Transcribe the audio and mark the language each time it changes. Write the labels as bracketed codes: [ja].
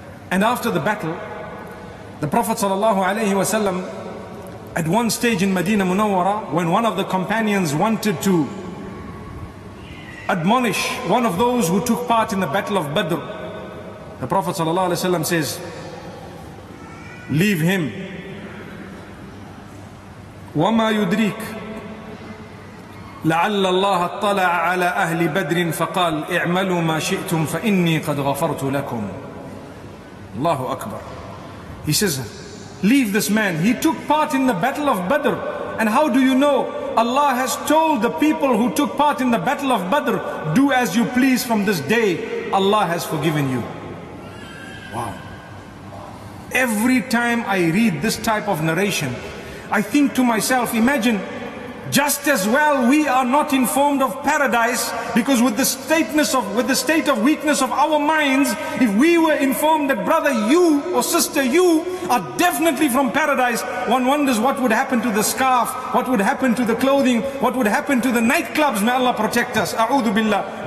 [en] And after the battle, the Prophet sallallahu alayhi wa sallam, at one stage in Medina Munawwara, when one of the companions wanted to admonish one of those who took part in the battle of Badr, the Prophet sallallahu alayhi wa sallam says, leave him. [ar] وَمَا يُدْرِيكَ لعل الله اطلع على اهل بدر فقال اعملوا ما شئتم فاني قد غفرت لكم. الله اكبر. [en] He says, leave this man. He took part in the battle of Badr. And how do you know? Allah has told the people who took part in the battle of Badr, do as you please from this day. Allah has forgiven you. Wow. Every time I read this type of narration, I think to myself, imagine, just as well we are not informed of paradise, because with the state of weakness of our minds, if we were informed that brother you or sister you are definitely from paradise, one wonders what would happen to the scarf, what would happen to the clothing, what would happen to the nightclubs. May Allah protect us. A'udhu billah.